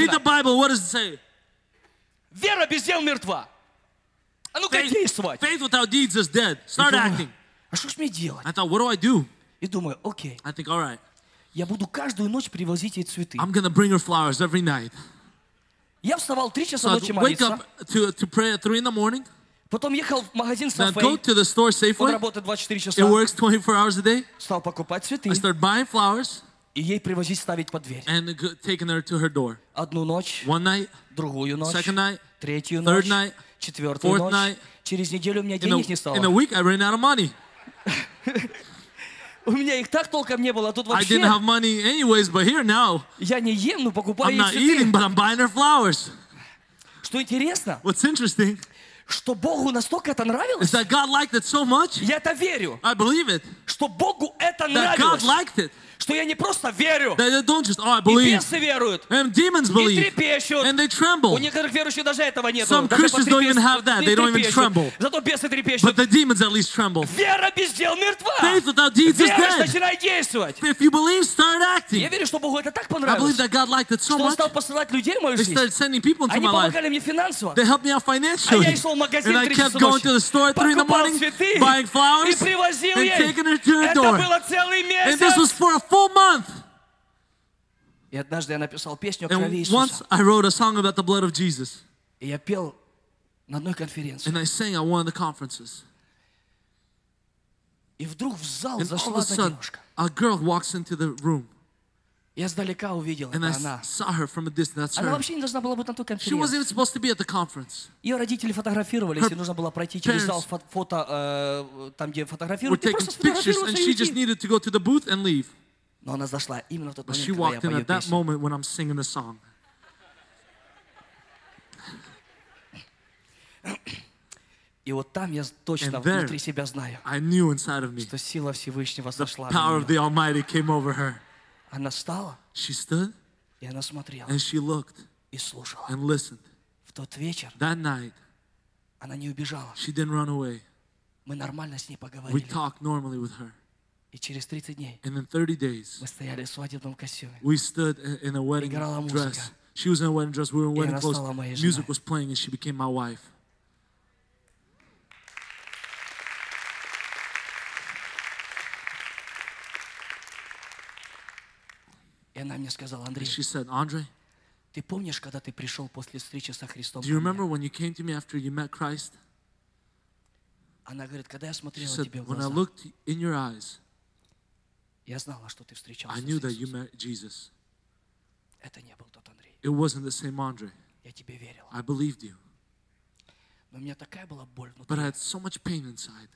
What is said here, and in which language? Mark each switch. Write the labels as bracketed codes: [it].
[en] Read the Bible. What does it say? [ru] Вера без дел мертва. А ну-ка действовать. [en] Faith without deeds is dead. Start acting. [ru] А что ж мне делать? [en] I thought, what do I do? [ru] И думаю, окей. [en] I think, all right. [ru] Я буду каждую ночь привозить ей цветы. [en] I'm gonna bring her flowers every night. [ru] Я вставал 3 часа [en] so [ru] ночи молиться. [en] Wake up to pray at 3 in the morning. [ru] Потом ехал в магазин Safeway. [en] Then go to the store Safeway. [ru] Он работает 24 часа. [en] It works 24 hours a day. [ru] Стал покупать цветы. [en] I start buying flowers. [ru] И ей привозить, ставить под дверь. [en] And taking her to her door. [ru] Одну ночь. [en] One night. [ru] Другую ночь. [en] Second night. [ru] Третью [en] third Night, [ru] четвертую [en] fourth [ru] ночь. [en] Night. [ru] Через неделю у меня денег не стало. [en] In a week I ran out of money. [ru] У меня их так толком не было, а тут вообще... [en] I didn't have money anyways, but here now, [ru] я не ем, но покупаю [en] I'm not [ru] цветы. [en] Eating, but I'm buying her flowers. [ru] Что интересно, [en] what's interesting, [ru] что Богу настолько это нравилось, [en] is that God liked it so much, [ru] я это верю, [en] I believe it, [ru] что Богу это [en] that [ru] нравилось, [en] God liked it, [ru] что я не просто верю, [en] that they don't just, oh, I believe, [ru] и бесы веруют, [en] and demons believe, [ru] и трепещут, [en] and they tremble. [ru] У некоторых верующих даже этого нету. [en] Some Christians don't even have that. They don't even tremble. [ru] Зато бесы трепещут. [en] But the demons at least tremble. [ru] Вера без дел мертва. [en] Faith without deeds is dead. [ru] Начинай действовать. [en] If you believe, start acting. [ru] Я верю, что Богу это так понравилось. [en] I believe that God liked it so much. [ru] Что он стал посылать людей в мою жизнь. [en] They started sending people into my life. [ru] Они помогали мне финансово. [en] They helped me out financially. [ru] А я шел в магазин [en] and I kept going to the store at 3 in the morning, buying flowers, [ru] и привозил [en] and taking her to her door. [ru] Это было целый месяц. [en] And this was for a full month. [ru] И однажды я написал песню о крови Иисуса. [en] And once I wrote a song about the blood of Jesus. [ru] И я пел на одной конференции. [en] And I sang at one of the conferences. [ru] И вдруг в зал [en] and [ru] зашла [en] all of a sudden, [ru] одна девушка. [en] A girl walks into the room. [ru] Я сдалека увидел, [en] and [ru] это [en] I [ru] она. [en] Saw her from a distance. That's [ru] она [en] her. [ru] Вообще не должна была быть на той конференции. [en] She wasn't even supposed to be at the conference. [ru] Ее родители фотографировались, и нужно было пройти через зал фото, там где фотографируют. [en] Were taking pictures, and she just needed to go to the booth and leave. [ru] Но она зашла именно в тот [en] but [ru] момент, [en] she walked [ru] я [en] in at that moment when I'm singing a song. [ru] И вот там я точно [en] and there, [ru] внутри себя знаю, [en] I knew inside of me, [ru] что сила Всевышнего зашла. [en] The power of the Almighty came over her. [ru] Она встала, [en] she stood, [ru] и она смотрела, [en] and she looked, [ru] и слушала. [en] And listened. [ru] В тот вечер, [en] that night, [ru] она не убежала. [en] She didn't run away. [ru] Мы нормально с ней поговорили. [en] We talked normally with her. [ru] И через 30 дней [en] and in 30 days, [ru] мы стояли в свадебном костюме. [en] We stood in a wedding [ru] играла музыка. [en] Dress. She was in a wedding dress. We were in [ru] и [en] wedding clothes. [ru] Она стала моей женой. [en] Music was playing and she became my wife. [ru] И она мне сказала, Андрей, [en] and she said, Andre, [ru] ты помнишь, когда ты пришел после встречи со Христом? [en] Do you remember when you came to me after you met Christ? [ru] Она говорит, когда я смотрела [en] said, [ru] тебе в глаза, [en] when I looked in your eyes, [ru] я знала, что ты встречался с Иисусом. [en] I knew that you met Jesus. [ru] Это не был тот Андрей. [en] It wasn't the same Andre. [ru] Я тебе верил. [en] I believed you. [ru] Но у меня такая была боль внутри. [en] But I had so much pain inside.